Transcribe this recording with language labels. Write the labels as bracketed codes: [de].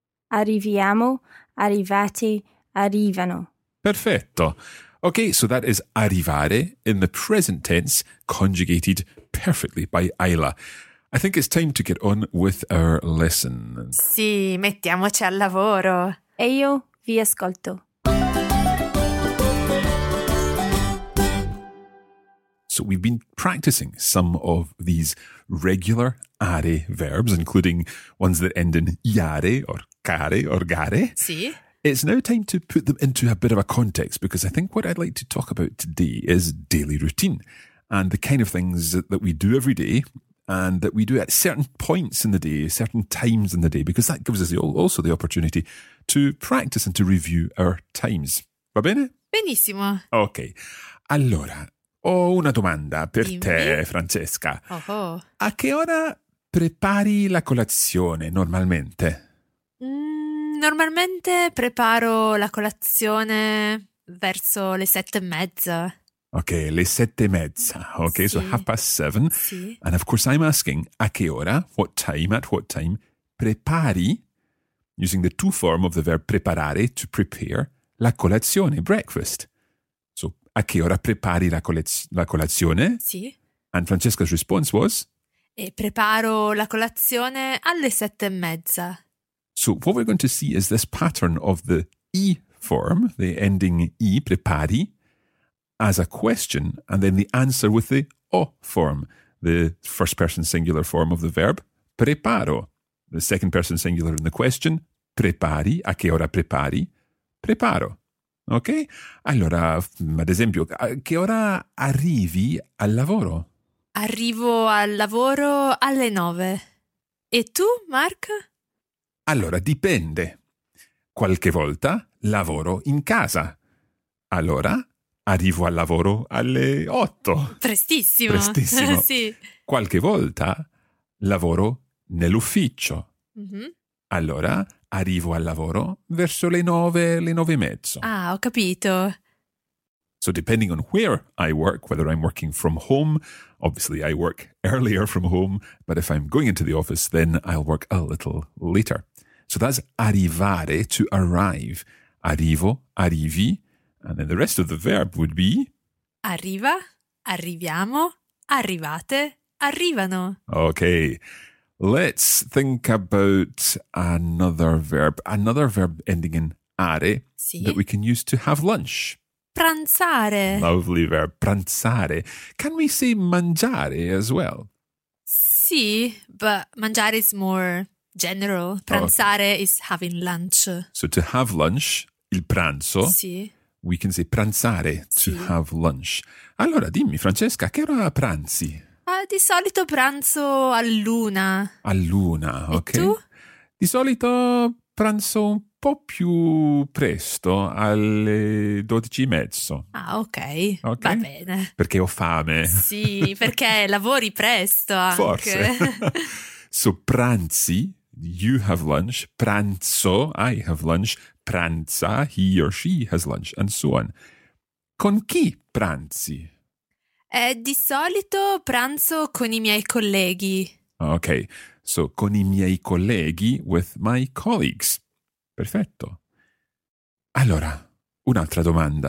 [it] Arriviamo, arrivate, arrivano. Perfetto. [en] Okay, so that is arrivare in the present tense, conjugated perfectly by Ayla. I think it's time to get on with our lesson. [it] Sì, mettiamoci al lavoro. E io vi ascolto. [en] So we've been practicing some of these regular are verbs, including ones that end in iare or care or gare. [it] Sì. [en] It's now time to put them into a bit of a context, because I think what I'd like to talk about today is daily routine and the kind of things that we do every day and that we do at certain points in the day, certain times in the day, because that gives us also the opportunity to practice and to review our times. [it] Va bene? Benissimo. Ok. Allora, ho una domanda per te, Francesca. Oh. A che ora prepari la colazione normalmente? Normalmente preparo la colazione verso le 7:30. Ok, le 7:30. Ok, sì. [en] So 7:30. [it] Sì. [en] And of course I'm asking, [it] a che ora, [en] what time, at what time, prepari, using the to form of the verb preparare, to prepare, [it] la colazione, [en] breakfast. [it] So, a che ora prepari la colazione? Sì. [en] And Francesca's response was? [it] E preparo la colazione alle 7:30. [en] So what we're going to see is this pattern of the I form, the ending I, prepari, as a question, and then the answer with the O form, the first person singular form of the verb, preparo. The second person singular in the question, prepari, [it] a che ora prepari, preparo. [en] Ok? [it] Allora, ad esempio, a che ora arrivi al lavoro? Arrivo al lavoro alle 9. E tu, Mark? Allora, dipende. Qualche volta lavoro in casa. Allora, arrivo al lavoro alle 8. Prestissimo. Prestissimo. Sì. Qualche volta lavoro nell'ufficio. Mm-hmm. Allora, arrivo al lavoro verso le 9:30. Ah, ho capito. [en] So depending on where I work, whether I'm working from home, obviously I work earlier from home, but if I'm going into the office, then I'll work a little later. So that's arrivare, to arrive. Arrivo, arrivi, and then the rest of the verb would be? [it] Arriva, arriviamo, arrivate, arrivano. [en] Okay, let's think about another verb ending in are, [it] sì, [en] that we can use to have lunch. [it] Pranzare. [en] Lovely verb, pranzare. Can we say mangiare as well? Sì, but mangiare is more general. Pranzare, okay, is having lunch. So to have lunch, il pranzo, [it] sì, [en] we can say pranzare, to, [it] sì, [en] have lunch. [it] Allora dimmi, Francesca, che ora pranzi? Di solito pranzo all'1. All'1, ok. E tu? Di solito pranzo un po' più presto, alle 12:30. Ah, okay. Ok, va bene. Perché ho fame. Sì, perché lavori presto anche. Forse. [en] So pranzi, you have lunch, pranzo, I have lunch, pranza, he or she has lunch, and so on. [it] Con chi pranzi? Di solito pranzo con i miei colleghi. [en] Okay, So, [it] con I miei colleghi, [en] with my colleagues. Perfetto. [it] Allora, un'altra domanda.